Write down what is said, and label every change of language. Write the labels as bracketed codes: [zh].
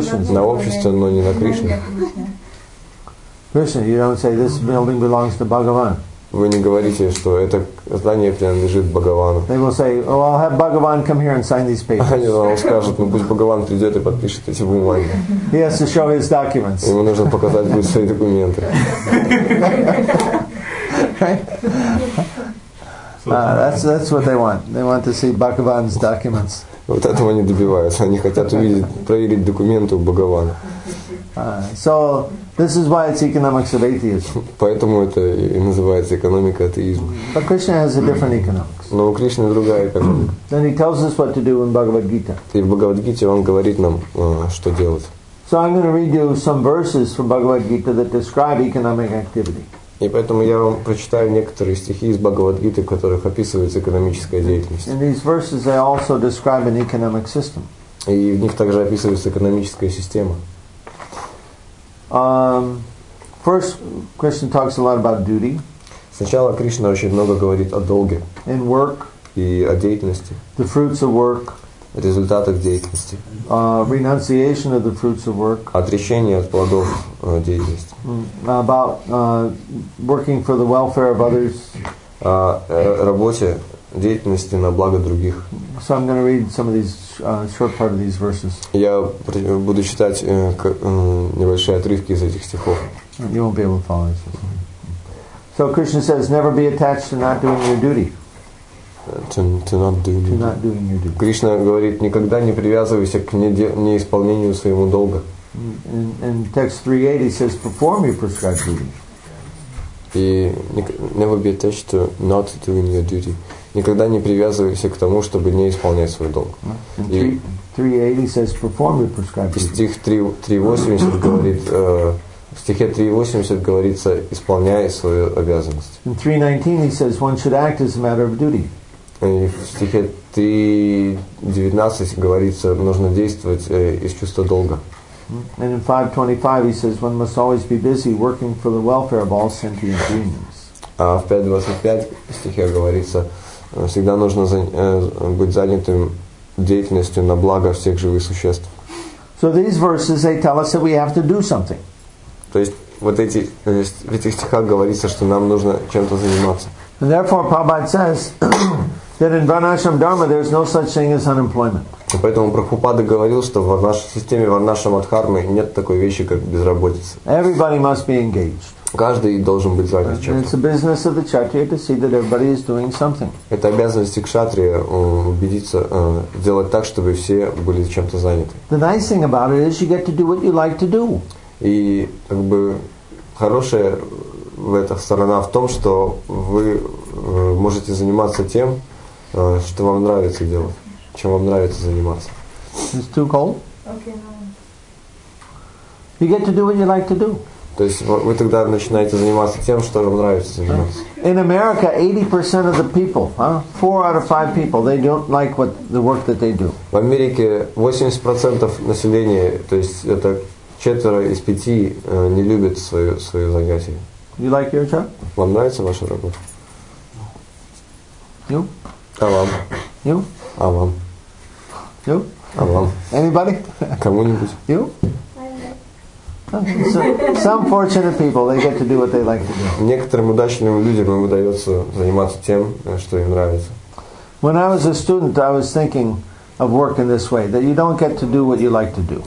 [ru] На общество, но не на Кришну. [en] Krishna, you don't say this building belongs to Bhagavan. [ru] Вы не говорите, что это здание принадлежит Бхагавану. [en] They will say, "Oh, I'll have Bhagavan come here and sign these papers." [ru] Они вам скажут, ну пусть Бхагаван придет и подпишет эти бумаги. [en] He has to show his documents. [ru] Ему нужно показать свои документы. [en] That's what they want. They want to see Bhagavan's documents. [ru] Вот этого они добиваются. Они хотят увидеть, проверить документы у Бхагавана. [en] So this is why it's economics of atheism. [ru] Поэтому это и называется экономика атеизма. [en] But Krishna has a different economics. [ru] Но у Кришны другая экономика. [en] Then he tells us what to do in Bhagavad Gita. [ru] И в Бхагавад Гите он говорит нам, что делать. [en] So I'm going to read you some verses from Bhagavad Gita that describe economic activity. [ru] И поэтому я вам прочитаю некоторые стихи из Бхагавад-гиты, в которых описывается экономическая деятельность. [en] In these verses they also describe an economic system. [ru] И в них также описывается экономическая система. [en] First, Krishna talks a lot about duty. [ru] Сначала Кришна очень много говорит о долге. [en] And work. [ru] И о деятельности. [en] The fruits of work. [ru] Результатах деятельности. [en] Renunciation of the fruits of work. [ru] Отречение от плодов деятельности. [en] About working for the welfare of others. [ru] Работе, деятельности на благо других. [en] So I'm going to read some of these short part of these verses. [ru] Я буду читать небольшие отрывки из этих стихов. [en] You won't be able to follow this. So Krishna says, never be attached to not doing your duty. To not doing your duty. [ru] Кришна говорит, никогда не привязывайся к неисполнению своему долга. [en] And text 380 says, perform your prescribed duty. И never be attached to not doing your duty. [ru] Никогда не привязывайся к тому, чтобы не исполнять свой долг. [en] And 380 says, perform your prescribed duty. [ru] Стих 380 говорит, в стихе 380 говорится, исполняй свою обязанность. [en] In 319 he says, one should act as a matter of duty. [ru] И в стихе 3.19 говорится, нужно действовать из чувства долга. [en] And in 5.25 he says, one must always be busy working for the welfare of all sentient beings. [ru] А в 5.25 стихе говорится, всегда нужно быть занятым деятельностью на благо всех живых существ. [en] So these verses, they tell us that we have to do something. [ru] То есть, вот эти, в этих стихах говорится, что нам нужно чем-то заниматься. [en] And therefore, Prabhupada says... That in Varnashram Dharma there is no such thing as unemployment. [ru] Поэтому Прабхупада говорил, что в нашей системе Варнашрам Дхармы нет такой вещи, как безработица. [en] Everybody must be engaged. [ru] Каждый должен быть занят чем-то. [en] It's the business of the kshatriya to see that everybody is doing something. [ru] Это обязанность кшатрия убедиться, сделать так, чтобы все были чем-то заняты. [en] The nice thing about it is you get to do what you like to do. [ru] И как бы хорошая в эта сторона в том, что вы можете заниматься тем, что вам нравится делать, чем вам нравится заниматься. [en] It's too cold? Okay, no. You get to do what you like to do. [ru] То есть вы тогда начинаете заниматься тем, что вам нравится заниматься. [en] In America, 80% of the people, 4 out of 5 people, they don't like what the work that they do. [ru] В Америке 80% населения, то есть это 4 из 5, не любят свое занятие. [en] You like your job? [ru] Вам нравится ваша работа? [en] You? [ru] Авам. [en] You? [ru] Авам. [en] You? [ru] Авам. [en] Anybody? [ru] Кому-нибудь. [en] You? Some fortunate people, they get to do what they like to do. [ru] Некоторым удачным людям им удается заниматься тем, что им нравится. [en] When I was a student, I was thinking of work in this way, that you don't get to do what you like to do.